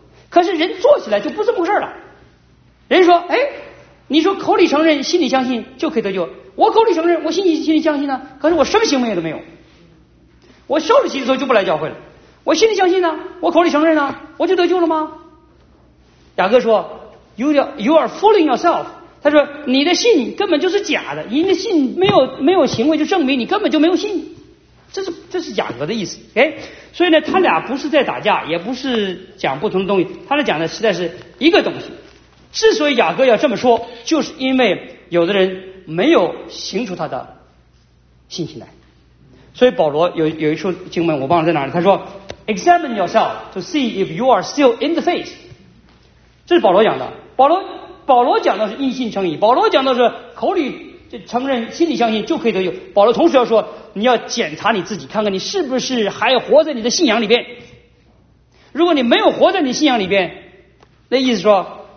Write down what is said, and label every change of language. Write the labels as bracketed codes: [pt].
[zh] 可是人做起来就不这么回事了。人说，哎，你说口里承认心里相信就可以得救，我口里承认，我心里相信呢，可是我什么行为也都没有，我受了洗礼之后就不来教会了，我心里相信呢，我口里承认呢，我就得救了吗？雅各说， [en] You are fooling yourself。 [zh] 他说，你的信根本就是假的，你的信没有行为就证明你根本就没有信。这是雅各的意思。哎，所以呢，他俩不是在打架，也不是讲不同的东西，他俩讲的实在是一个东西。之所以雅各要这么说，就是因为有的人没有行出他的信心来。所以保罗有一处经文我忘了在哪里，他说 [en] examine yourself to see if you are still in the faith。 [zh] 这是保罗讲的，保罗讲的是因信称义，保罗讲的是口里承认心里相信就可以得救，保罗同时要说，你要检查你自己，看看你是不是还活在你的信仰里边。如果你没有活在你信仰里边，那意思说